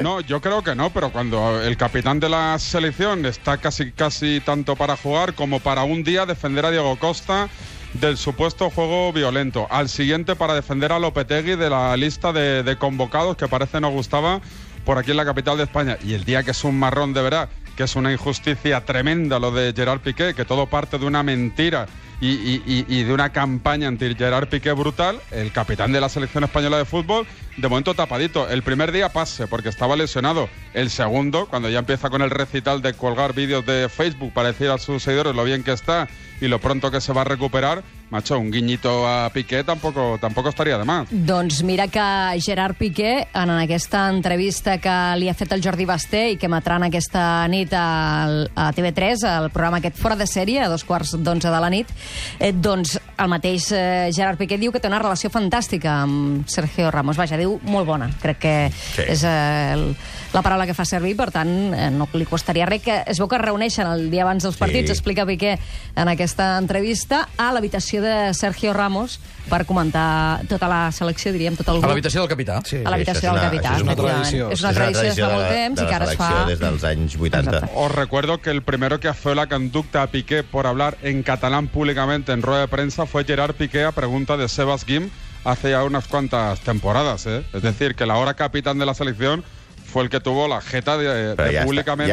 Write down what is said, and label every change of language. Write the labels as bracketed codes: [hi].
[es] No, yo creo que no, pero cuando el capitán de la selección está casi tanto para jugar como para un día defender a Diego Costa del supuesto juego violento, al siguiente para defender a Lopetegui de la lista de convocados que parece no gustaba por aquí en la capital de España, y el día que es un marrón de verdad, que es una injusticia tremenda lo de Gerard Piqué, que todo parte de una mentira y de una campaña anti Gerard Piqué brutal, el capitán de la selección española de fútbol, de momento tapadito. El primer día pase, porque estaba lesionado. El segundo, cuando ya empieza con el recital de colgar vídeos de Facebook para decir a sus seguidores lo bien que está y lo pronto que se va a recuperar, macho, un guiñito a Piqué tampoco estaría de más. [ca] Doncs mira que Gerard Piqué, en aquesta entrevista que li ha fet el Jordi Basté i que emetran aquesta nit a TV3, al programa aquest Fora de Sèrie, a 10:45 de la nit, doncs el mateix Gerard Piqué diu que té una relació fantàstica amb Sergio Ramos. Vaja, diu molt bona, crec que és la paraula que fa servir, per tant, no li costaria res. Que es veu que es reuneixen el dia abans dels partits, explica Piqué en aquesta entrevista, a l'habitació de Sergio Ramos per comentar tota la selecció, diríem, tot el grup. A l'habitació del capità. Sí. A l'habitació del capità. És una tradició. És una tradició des de molt temps de i que ara es fa... Des dels anys 80. Exacte. [es] Os recuerdo que el primero que fue la conducta a Piqué por hablar en catalán públicamente en rueda de prensa fue Gerard Piqué a pregunta de Sebas Guim hace ya unas cuantas temporadas, ¿eh? Es decir, que la hora capitán de la selección fue el que tuvo la jeta de ya públicamente...